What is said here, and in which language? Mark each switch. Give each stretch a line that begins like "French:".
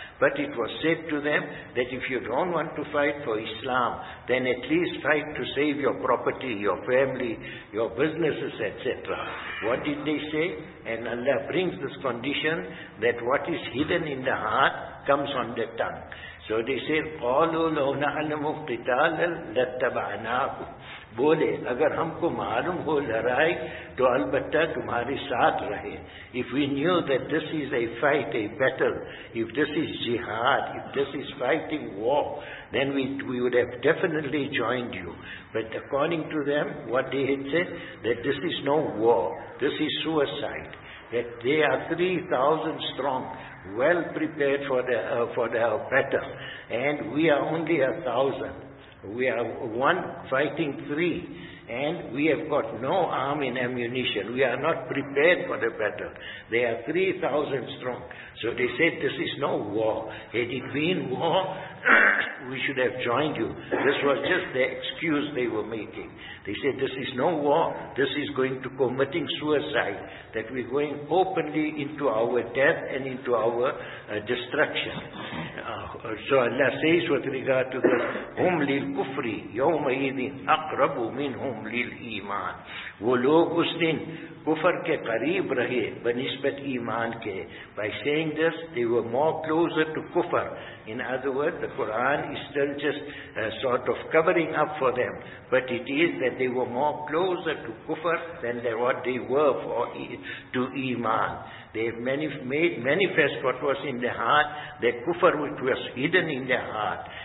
English: But it was said to them that if you don't want to fight for Islam, then at least fight to save your property, your family, your businesses, etc. What did they say? And Allah brings this condition that what is hidden in the heart comes on the tongue. So So they said,
Arabic: قَالُوا لَوْ نَعْلَمُ قِتَالًا لَتَّبَعْنَاكُمْ.
Urdu: بولے اگر ہم کو معلوم ہو لڑائی تو البتہ تمہارے ساتھ رہے.
English: If we knew that this is a fight, a battle, if this is jihad, if this is fighting war, then we would have definitely joined you. But according to them, what they had said, that this is no war, this is suicide. That they are 3,000 strong, well prepared for their battle, and we are only 1,000. We are one fighting three, and we have got no arm and ammunition. We are not prepared for the battle. They are 3,000 strong. So they said, this is no war. Had it been war, we should have joined you. This was just the excuse they were making. They said, this is no war. This is going to committing suicide, that we're going openly into our death and into our destruction. So Allah says with regard to this,
Arabic: هُمْ لِلْكُفْرِ يَوْمَئِذٍ أَقْرَبُ مِنْهُمْ لِلْإِيمَانِ.
Urdu: وہ لوگ اس دن کفر کے قریب رہے بنسبت ایمان کے.
English: By saying this, they were more closer to kufr. In other words, the Quran is still just sort of covering up for them. But it is that they were more closer to kufr than what they were to iman. They have made manifest what was in their heart, their kufr which was hidden in their heart.